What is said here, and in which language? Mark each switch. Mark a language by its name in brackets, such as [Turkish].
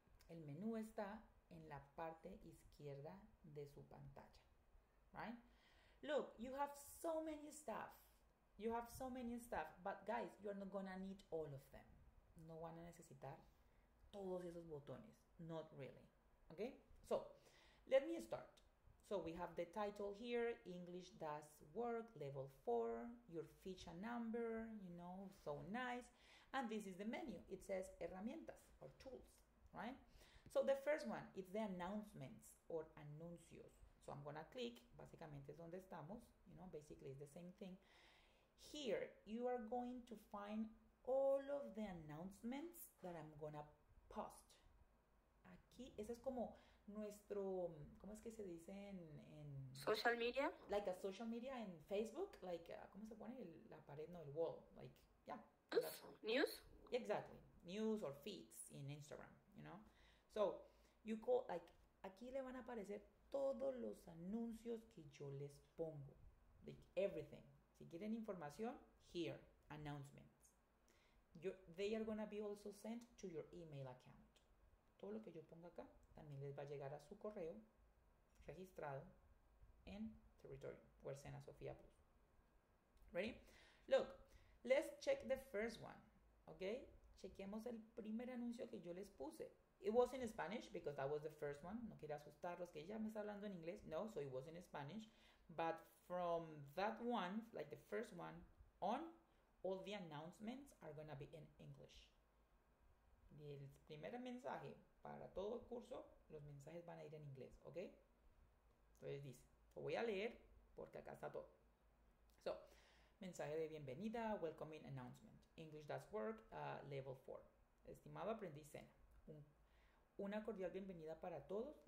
[Spanish] El menú está en la parte izquierda de su pantalla, [English] right? Look, you have so many stuff. You have so many stuff, but guys, you're not gonna need all of them. [Spanish] No van a necesitar todos esos botones. [English] Not really. Okay? So, let me start. So, we have the title here, English Does Work, Level 4, your ficha number, you know, so nice. And this is the menu. It says herramientas or tools, right? So, the first one, it's the announcements or anuncios. So, I'm gonna click. Basically, [Spanish] es donde estamos. [English] You know, basically, it's the same thing. Here, you are going to find all of the announcements that I'm gonna post. [Spanish] Aquí, ese es como nuestro, ¿cómo es que se dice en [English] social media? Like a social media en Facebook, like, [Spanish] ¿cómo se pone? La pared, no, el wall, [English] like, yeah. News? Exactly, news or feeds in Instagram, you know? So, you call, like, [Spanish] aquí le van a aparecer todos los anuncios que yo les pongo, [English] like, everything. [Spanish] Si quieren información, [English] here, announcements. They are going to be also sent to your email account. [Spanish] Todo lo que yo ponga acá también les va a llegar a su correo registrado en Territorio, o Sena Sofía Plus. [English] Ready? Look, let's check the first one, okay? [Spanish] Chequemos el primer anuncio que yo les puse. [English] It was in Spanish because that was the first one. [Spanish] No quería asustarlos que ya me está hablando en inglés. [English] No, so it was in Spanish. But from that one, like the first one on, all the announcements are going to be in English. [Spanish] Y el primer mensaje para todo el curso, los mensajes van a ir en inglés, ¿ok? Entonces dice, lo voy a leer porque acá está todo. So, mensaje de bienvenida, [English] welcoming announcement. [Spanish] English does work, level 4. Estimado aprendiz Sena, una cordial bienvenida para todos.